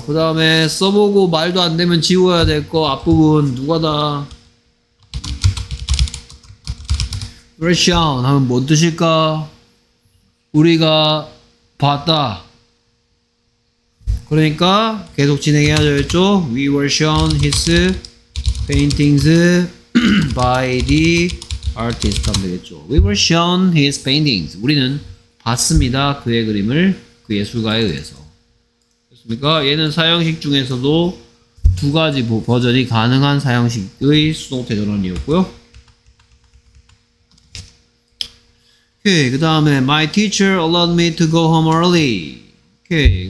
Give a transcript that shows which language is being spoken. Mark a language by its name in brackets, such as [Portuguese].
[Korean] 그 다음에 써보고 말도 안 되면 지워야 될 거 앞부분 누가다? [English] were shown [Korean] 하면 뭔 뜻일까? 우리가 봤다. 그러니까 계속 진행해야 되겠죠? [English] We were shown his paintings by the artist [Korean] 하면 되겠죠. [English] We were shown his paintings. [Korean] 우리는 봤습니다. 그의 그림을 그 예술가에 의해서. 그렇습니까? 얘는 사형식 중에서도 두 가지 버전이 가능한 사형식의 수동태 전환이었고요. 오케이, 그 다음에 [English] My teacher allowed me to go home early. 오케이.